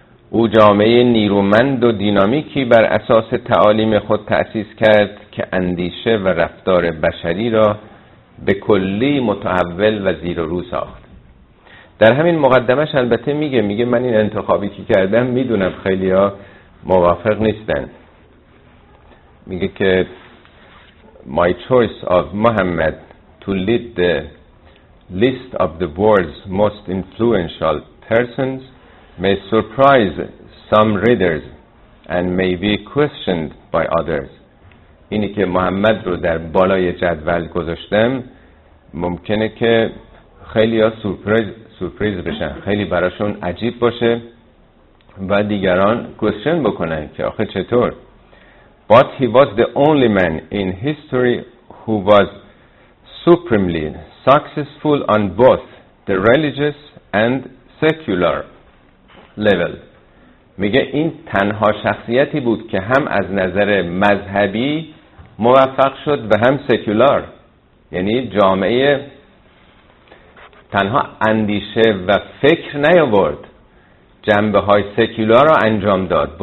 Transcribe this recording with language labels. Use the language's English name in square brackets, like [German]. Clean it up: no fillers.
[Persian] او جامعه نیرومند و دینامیکی بر اساس تعالیم خود تأسیس کرد که اندیشه و رفتار بشری را به کلی متحول و زیر و رو ساخت. در همین مقدمش البته میگه من این انتخابی که کردم میدونم خیلی ها موافق نیستن. میگه که [English] My choice of Muhammad to lead the list of the world's most influential persons may surprise some readers and may be questioned by others. [Persian] اینی که محمد رو در بالای جدول گذاشتم ممکنه که خیلی ها سورپرایز بشن، خیلی براشون عجیب باشه و دیگران کوشن بکنن که آخه چطور. [English] But he was the only man in history who was supremely successful on both the religious and secular level. [Persian] میگه این تنها شخصیتی بود که هم از نظر مذهبی موفق شد و هم سکولار، یعنی جامعه تنها اندیشه و فکر نیاورد، جنبه های سکولار را انجام داد.